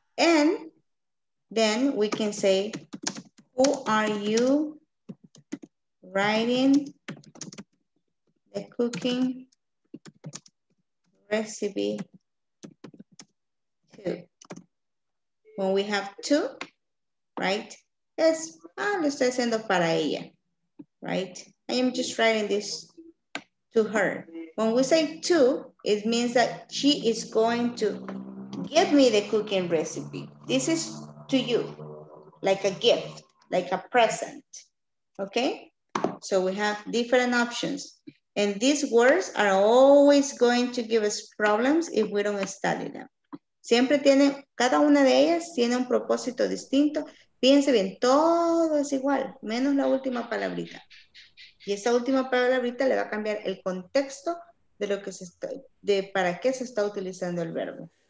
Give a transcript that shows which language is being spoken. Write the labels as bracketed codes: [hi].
[en] And then we can say, who are you writing the cooking recipe to? When we have two, right? [es] Es, ah, lo estoy haciendo para ella, right? [en] I am just writing this to her. When we say two, it means that she is going to give me the cooking recipe. This is to you, like a gift, like a present, okay? So we have different options. And these words are always going to give us problems if we don't study them. [es] Siempre tiene, cada una de ellas tiene un propósito distinto. Fíjense bien, todo es igual, menos la última palabrita. Y esa última palabrita le va a cambiar el contexto de lo que se está, de para qué se está utilizando el verbo.